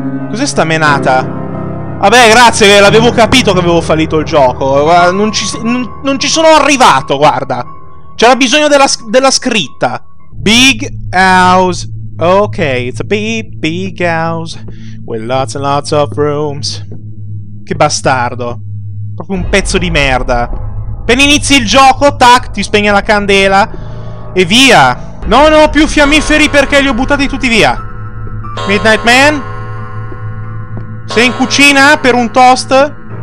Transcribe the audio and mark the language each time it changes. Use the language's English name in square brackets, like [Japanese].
[Italian] Cos'è sta menata? Vabbè, grazie, l'avevo capito che avevo fallito il gioco. Non ci sono arrivato, guarda. C'era bisogno della scritta. [English] Big house. Ok, it's a big house. With lots and lots of rooms. [Italian] Che bastardo. Proprio un pezzo di merda. Appena inizi il gioco, tac, ti spegne la candela. E via. Non ho più fiammiferi perché li ho buttati tutti via. Midnight Man? Sei in cucina per un toast?